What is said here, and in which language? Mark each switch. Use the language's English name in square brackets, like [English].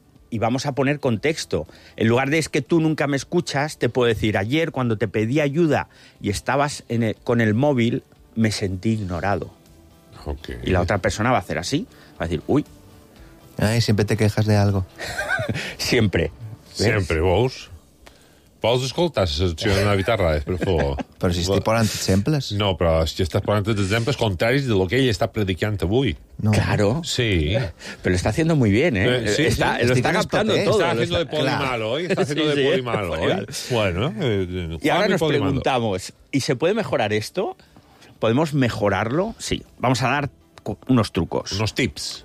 [Spanish] Y vamos a poner contexto. En lugar de es que tú nunca me escuchas, te puedo decir, ayer cuando te pedí ayuda y estabas con el móvil, me sentí ignorado. Okay. Y la otra persona va a hacer así. Va a decir, uy. Ay, siempre te quejas de algo. Siempre. ¿Ves? Siempre, vos. [Catalan] Vols escoltar la secció d'una guitarra? Per favor. Però si estic posant exemples. No, però si estàs posant exemples contraris de lo que ell està predicant avui. No. [Spanish] Claro. Sí. Pero lo está haciendo muy bien, ¿eh? Sí, está, sí. Lo está captando todo. Está haciendo de poli malo, ¿eh? Bueno. Y ahora nos preguntamos, ¿y se puede mejorar esto? ¿Podemos mejorarlo? Sí. Vamos a dar unos trucos. Unos tips.